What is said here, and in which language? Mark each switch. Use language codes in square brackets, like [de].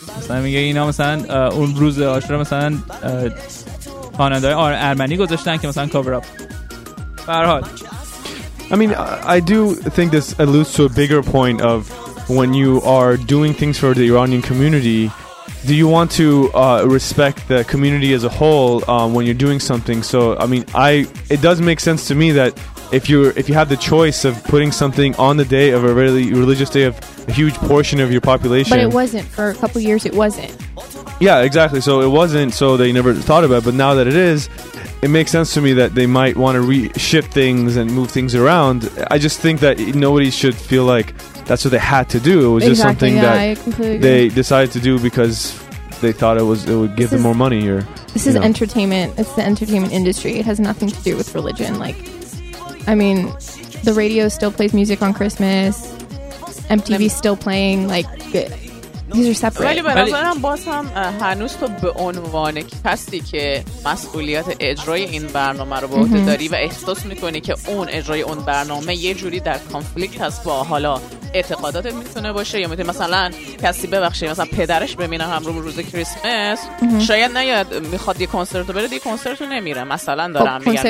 [fa] مثلا میگه اینا مثلا اون روز عاشورا مثلا خواننده‌های آرمنی گذاشتن که مثلا [en] cover up. [fa] به هر حال [en] I mean I do think this alludes to a bigger point of when you are doing things for the Iranian community do you want to respect the community as a whole when you're doing something? So, I mean, it does make sense to me that if you have the choice of putting something on the day of a really religious day of a huge portion of your population. But it wasn't. For a couple years, it wasn't. Yeah, exactly. So it wasn't, so they never thought about it. But now that it is, it makes sense to me that they might want to reship things and move things around. I just think that nobody should feel like that's what they had to do. It was exactly, just something yeah, that I completely agree. They decided to do because they thought it would give them more money. Or this is entertainment. It's the entertainment industry. It has nothing to do with religion. Like, I mean, the radio still plays music on Christmas. MTV still playing. Like, these are separate. [fa] ولی به نظرم باز هم هنوز تو به عنوان کسی که مسئولیت اجرای این برنامه رو به عهده داری و احساس میکنی که اون اجرای اون برنامه یه جوری در کانفلیکت هست با حالا اعتقاداتت میتونه باشه، یا میتونی مثلا کسی ببخشه مثلا پدرش ببینه همرو روز کریسمس شاید نیاد میخواد یه کنسرت رو بره، دیگه کنسرت رو نمیره مثلا، دارم میگم